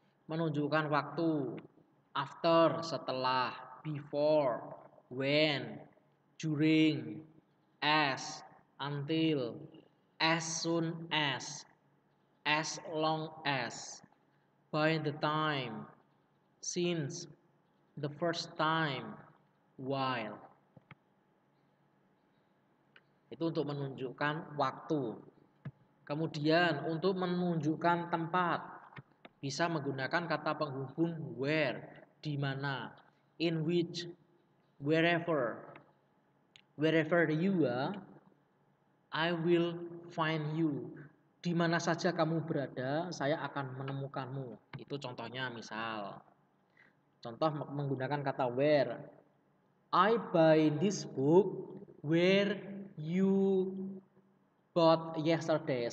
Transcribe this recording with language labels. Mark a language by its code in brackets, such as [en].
[id] Menunjukkan waktu, [en] after, [id] setelah, [en] before, when, during, as, until, as soon as long as, by the time, since, the first time, while. [id] Itu untuk menunjukkan waktu. Kemudian untuk menunjukkan tempat, bisa menggunakan kata penghubung where, di mana, in which, wherever. [en] Wherever you are, I will find you. [id] Di mana saja kamu berada, saya akan menemukanmu. Itu contohnya, misal. Contoh menggunakan kata where. [en] I buy this book where you bought yesterday.